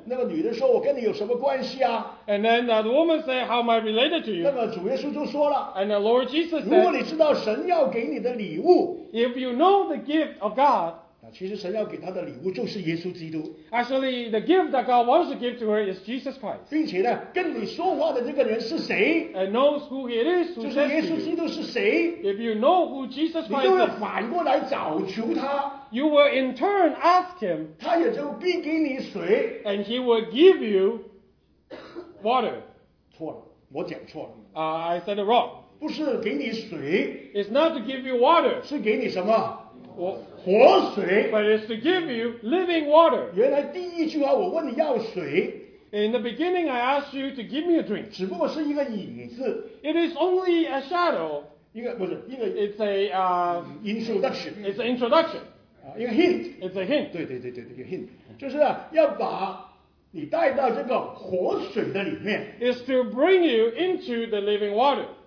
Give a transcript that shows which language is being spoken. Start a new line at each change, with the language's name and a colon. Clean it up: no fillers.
Chinese: 那个女的说我跟你有什么关系啊？
English: And then the woman said, how am I related to you?
Chinese: 那个主耶稣就说了。
English: And the Lord Jesus said,
Chinese: 如果你知道神要给你的礼物。
English: If you know the gift of God,
Chinese: 其实神要给他的礼物就是耶稣基督。
English: Actually, the gift that God wants to give to her is Jesus Christ.
Chinese: 并且呢，跟你说话的这个人是谁？
English: And knows who he is.
Chinese: 就是耶稣基督是谁？
English: If you know who Jesus Christ is,
Chinese: 你就会反过来找求他。
English: You will in turn ask him.
Chinese: 他也就必给你水。
English: And he will give you water.
Chinese: 错了，我讲错了。
English: I said it wrong.
Chinese: 不是给你水。
English: It's not to give you water.
Chinese: 是给你什么？活水。
English: But it's to give you living water.
Chinese: 原来第一句话我问你要水。
English: In the beginning I asked you to give me a drink.
Chinese: 只不过是一个影子。
English: It is only a shadow.
Chinese: 一个不是一个
English: It's a introduction. It's an introduction.
Chinese: 一个 hint.
English: It's a hint.
Chinese: 对对对对一个 hint. 就是要把你带到这个活水的里面。
English: It's to bring you into the living water.